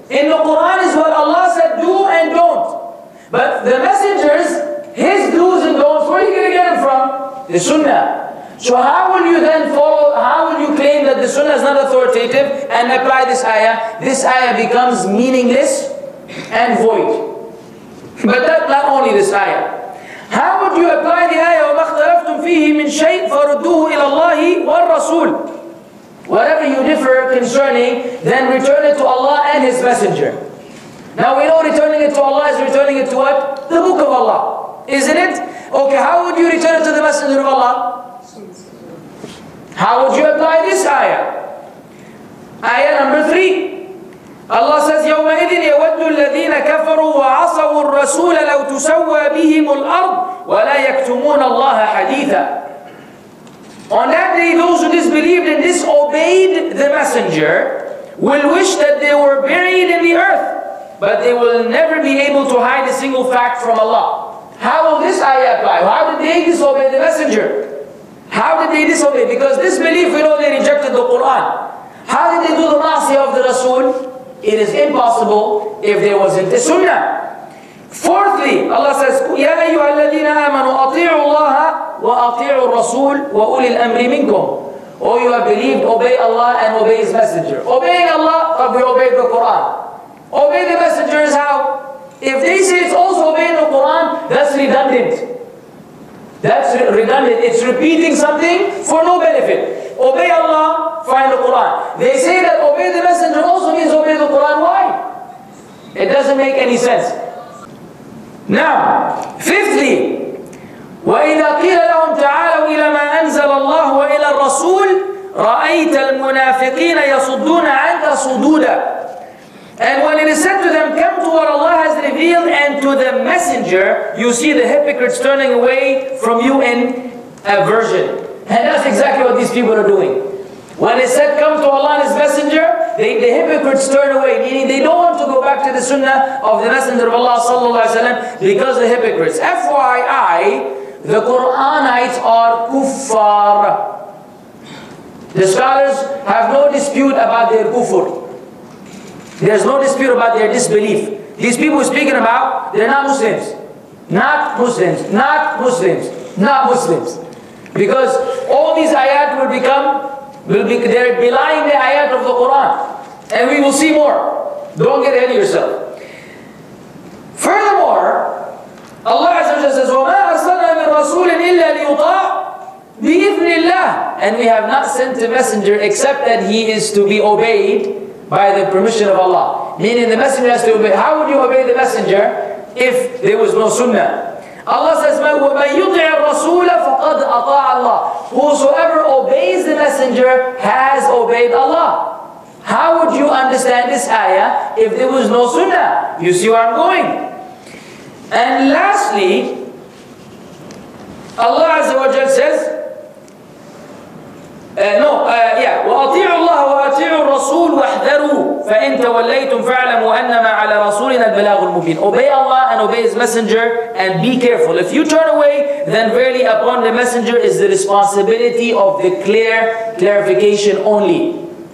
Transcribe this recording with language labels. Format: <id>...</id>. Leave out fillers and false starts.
<en>In the Quran is what Allah said, do and don't. But the messengers, his do's and don'ts, where are you going to get them from? The Sunnah. So how will you then follow, how will you claim that the Sunnah is not authoritative and apply this ayah? This ayah becomes meaningless and void. But that, not only this ayah. How would you apply the ayah,</en> <ar>وَمَا اخْتَلَفْتُمْ فِيهِ مِنْ شَيْءٍ فَرُدُّوهُ إِلَى اللَّهِ وَالرَّسُولِ.</ar> <en>Whatever you differ concerning, then return it to Allah and His Messenger. Now we know returning it to Allah is returning it to what? The Book of Allah. Isn't it? Okay, how would you return it to the Messenger of Allah? How would you apply this ayah? Ayah number 3. Allah says,</en> <ar>يَوْمَئِذٍ يَوَدُّ الَّذِينَ كَفَرُوا وَعَصَوُوا الرَّسُولَ لَوْ تُسَوَّى بِهِمُ الْأَرْضِ وَلَا يَكْتُمُونَ اللَّهَ حَدِيثًا.</ar> <en>On that day, those who disbelieved and disobeyed the messenger will wish that they were buried in the earth, but they will never be able to hide a single fact from Allah. How will this ayah apply? How did they disobey the messenger? How did they disobey? Because disbelief, we know they rejected the Quran. How did they do the ma'asiyah of the Rasul? It is impossible if there wasn't a sunnah. Fourthly, Allah says,</en> <ar>يَا أَيُّهَا الَّذِينَ آمَنُوا أَطِيعُوا اللَّهَ وَأَطِيعُوا الرَّسُولُ وَأُولِي الْأَمْرِ مِنْكُمْ.</ar> <en>Oh, you have believed, obey Allah and obey His Messenger. Obeying Allah, but we obey the Quran. Obey the Messenger is how? If they say it's also obeying the Quran, that's redundant. That's redundant. It's repeating something for no benefit. Obey Allah, find the Quran. They say that obey the Messenger also means obey the Quran. Why? It doesn't make any sense. Now, fifthly,</en> <ar>وَإِذَا قِيلَ لَهُمْ تَعَالَوْا إِلَى مَا أَنزَلَ اللَّهُ وَإِلَى الرَّسُولِ رَأَيْتَ الْمُنَافِقِينَ يَصُدُّونَ عَنْكَ صُدُودًا.</ar> <en>And when it is said to them, come to what Allah has revealed and to the Messenger, you see the hypocrites turning away from you in aversion. And that's exactly what these people are doing. When it said, come to Allah and His Messenger, the hypocrites turn away, meaning they don't want to go back to the Sunnah of the Messenger of Allah sallallahu alaihi wasallam because of the hypocrites. FYI, the Quranites are kuffar. The scholars have no dispute about their kufr. There's no dispute about their disbelief. These people we're speaking about, they're not Muslims. Not Muslims. Not Muslims. Not Muslims. Because all these ayat will be, they're belying the ayat of the Quran. And we will see more. Don't get ahead of yourself. Furthermore, Allah Azza wa Jalla says,</en> <ar>وَمَا أَرْسَلْنَا مِنْ رَسُولٍ إِلَّا لِيُطَاعُ بِإِذْنِ اللَّهِ.</ar> <en>And we have not sent a messenger except that he is to be obeyed by the permission of Allah. Meaning the messenger has to obey. How would you obey the messenger if there was no sunnah? Allah says,</en> <ar>وَمَنْ يُطِعَ الرَّسُولَ فَقَدْ أَطَاعَ اللَّهِ.</ar> <en>Whosoever obeys the messenger has obeyed Allah. How would you understand this ayah if there was no sunnah? You see where I'm going. And lastly, Allah Azza wa Jal says,</en> <ar>وَأَطِيعُوا اللَّهَ وَأَطِيعُوا الرَّسُولُ وَاحْذَرُوا فَإِنْ تَوَلَّيْتُمْ فَاعْلَمُوا أَنَّمَا عَلَى رَسُولِنَا الْبَلَاغُ الْمُبِينَ.</ar> <en>Obey Allah and obey His Messenger and be careful. If you turn away, then verily upon the Messenger is the responsibility of the clear clarification only.</en>